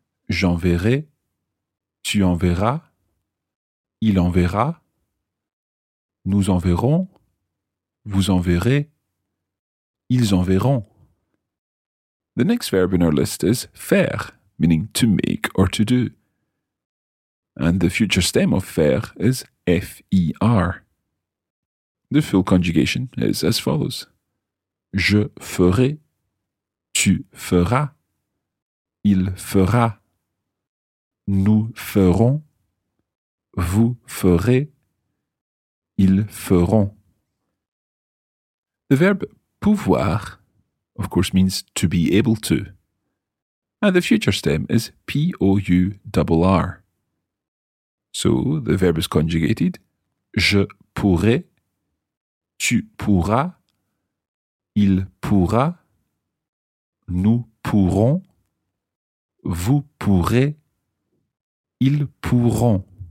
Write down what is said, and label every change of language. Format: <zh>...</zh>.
<fr>J'enverrai, tu enverras, il enverra, nous enverrons, vous enverrez, ils enverront.</fr> <en>The next verb in our list is faire, meaning to make or to do. And the future stem of faire is F-E-R. The full conjugation is as follows.</en> <fr>Je ferai, tu feras, il fera, nous ferons, vous ferez, ils feront.</fr> <en>The verb pouvoir, of course, means to be able to. And the future stem is P-O-U-R-R. So the verb is conjugated.</en> <fr>Je pourrai. Tu pourras, il pourra, nous pourrons, vous pourrez, ils pourront.</fr>